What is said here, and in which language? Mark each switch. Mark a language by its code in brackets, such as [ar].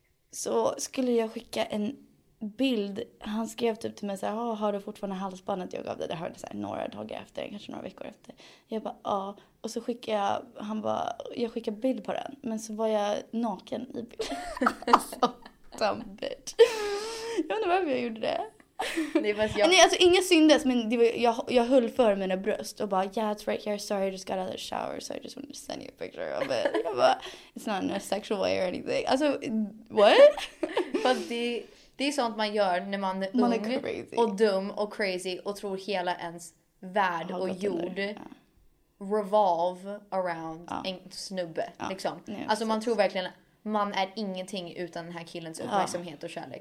[sv] Så skulle jag skicka en bild. Han skrev typ till mig så här, har du fortfarande halsbandet jag gav dig? Det hörde så här, några dagar efter, kanske några veckor efter. Jag bara, ja. Och så skickade jag, han bara, jag skickade bild på den. Men så var jag naken i bilden. Dumbit. Jag undrar varför jag gjorde det. Alltså, inga syndes, men det var, jag höll för mina bröst. Och bara, [en] yeah, it's right here, sorry, I just got out of the shower. So I just wanted to send you a picture of it. [sv] Jag bara, [en] it's not in a sexual way or anything. [sv] Alltså, what? För det är sånt man gör när man är ung och dum och crazy. Och tror hela ens värld och jord [en] revolve around [sv] en snubbe. Liksom. Yeah, alltså man tror verkligen att man är ingenting utan den här killens uppmärksamhet och kärlek.